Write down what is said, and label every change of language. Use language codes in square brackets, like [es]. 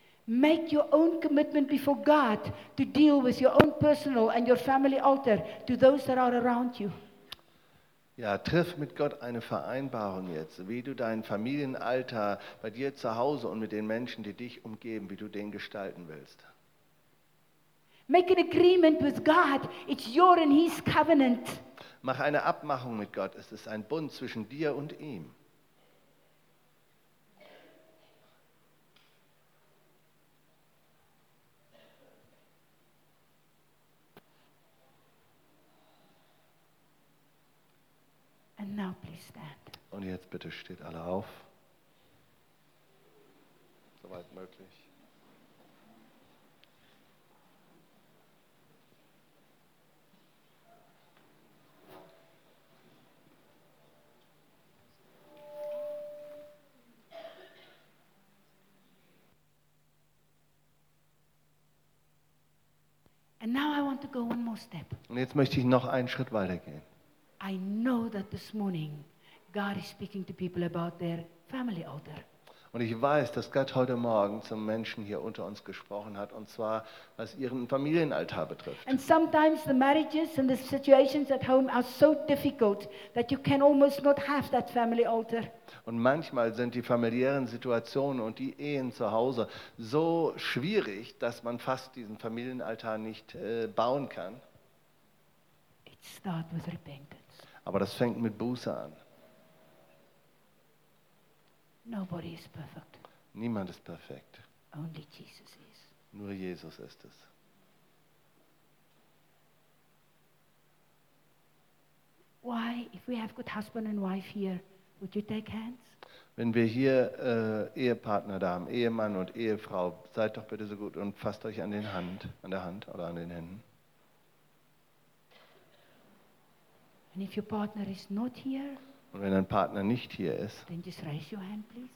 [en] Make your own commitment before God to deal with your own personal and your family altar to those that are around you. [de] Ja, triff mit Gott eine Vereinbarung jetzt, wie du deinen Familienaltar bei dir zu Hause und mit den Menschen, die dich umgeben, wie du den gestalten willst. [en] Make an agreement with God. It's your and his covenant. [de] Mach eine Abmachung mit Gott. Es ist ein Bund zwischen dir und ihm. [en] And now please stand. [de] Und jetzt bitte steht alle auf. Soweit möglich. [en] And now I want to go one more step. [de] Und jetzt möchte ich noch einen Schritt weitergehen. [en] I know that this morning God is speaking to people about their family altar. [de] Und ich weiß, dass Gott heute Morgen zum Menschen hier unter uns gesprochen hat, und zwar was ihren Familienaltar betrifft. [en] And sometimes the marriages and the situations at home are so difficult that you can almost not have that family altar. [de] Und manchmal sind die familiären Situationen und die Ehen zu Hause so schwierig, dass man fast diesen Familienaltar nicht bauen kann. [en] Start with repentance. [de] Aber das fängt mit Buße an. [en] Nobody is perfect. [de] Niemand ist perfekt. [en] Only Jesus is. [de] Nur Jesus ist es. [en] Why, if we have good husband and wife here, would you take hands? [de] Wenn wir hier Ehepartner da haben, Ehemann und Ehefrau, seid doch bitte so gut und fasst euch an den Hand, an der Hand oder an den Händen. [en] And if your partner is not here, [de] und wenn dein Partner nicht hier ist, [en] then just raise your hand, please.